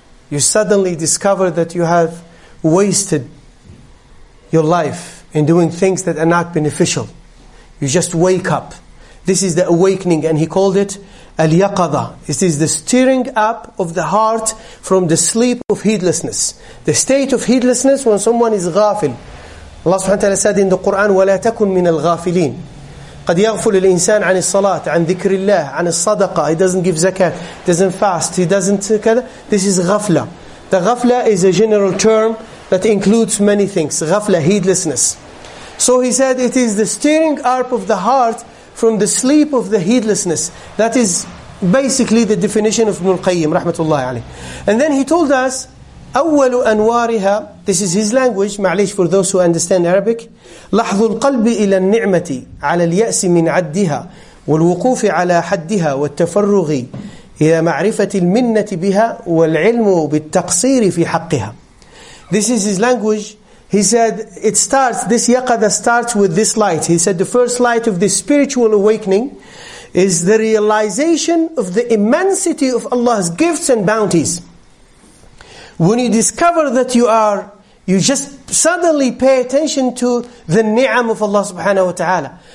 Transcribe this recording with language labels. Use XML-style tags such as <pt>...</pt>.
<en>You suddenly discover that you have wasted your life in doing things that are not beneficial. You just wake up. This is the awakening, and he called it al-yaqadha. It is the stirring up of the heart from the sleep of heedlessness. The state of heedlessness when someone is ghafil. Allah subhanahu wa ta'ala said in the Quran,</en> <ar>وَلَا تَكُن مِنَ الْغَافِلِينَ. قَدْ يَغْفُلُ الْإِنسَانَ عَنِ الصَّلَاةِ عَنِ ذِكْرِ اللَّهِ عَنِ الصَّدَقَةِ.</ar> <en>He doesn't give zakat, doesn't fast, he doesn't... This is ghafla. The ghafla is a general term that includes many things. Ghafla, heedlessness. So he said, it is the stirring up of the heart from the sleep of the heedlessness. That is basically the definition of Ibn Al-Qayyim, rahmatullahi alayhi. And then he told us,</en> <ar>أَوَّلُ أَنْوَارِهَا,</ar> <en>this is his language, ma'alish for those who understand Arabic,</en> <ar>لَحْظُ الْقَلْبِ إِلَى النِّعْمَةِ عَلَى الْيَأْسِ مِنْ عَدِّهَا وَالْوُقُوفِ عَلَى حَدِّهَا وَالتَّفَرُّغِ إِلَى مَعْرِفَةِ الْمِنَّةِ بِهَا وَالْعِلْمُ بِالتَّقْصِيرِ فِي حَقِّهَا.</ar> <en>This is his language. He said, it starts, this yaqadha starts with this light. He said, the first light of this spiritual awakening is the realization of the immensity of Allah's gifts and bounties. When you discover that you just suddenly pay attention to the ni'am of Allah subhanahu wa ta'ala.</en>